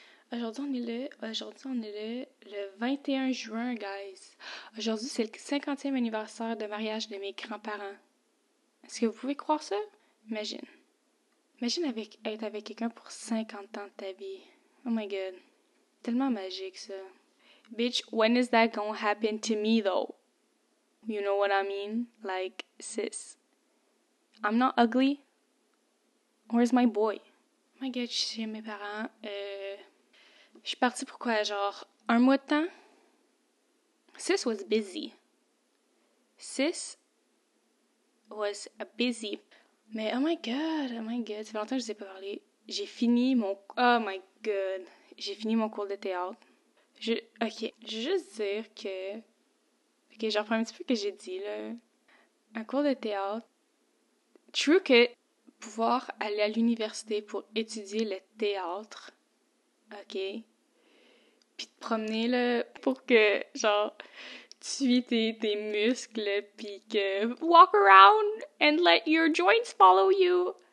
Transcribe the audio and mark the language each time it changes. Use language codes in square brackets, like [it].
[fr] Aujourd'hui, on est le 21 juin, guys. Aujourd'hui, c'est le 50e anniversaire de mariage de mes grands-parents. Est-ce que vous pouvez croire ça? Imagine. Imagine être avec quelqu'un pour 50 ans de ta vie. [en] Oh my god. [fr] Tellement magique, ça. [en] Bitch, when is that gonna happen to me, though? You know what I mean? Like, sis. I'm not ugly. Where's my boy? Oh my god, [fr] je suis chez mes parents. Je suis partie pour quoi, genre, un mois de temps? [en] Sis was busy. Sis was busy. [fr] Mais [en] oh my god, [fr] ça fait longtemps que je vous ai pas parlé. J'ai fini mon... [en] Oh my god, [fr] j'ai fini mon cours de théâtre. Ok, je vais juste dire que... Ok, je reprends un petit peu ce que j'ai dit, là. Un cours de théâtre... True que pouvoir aller à l'université pour étudier le théâtre, ok, puis te promener, là, pour que, genre... Suis tes muscles, pis que... [en] Walk around and let your joints follow you!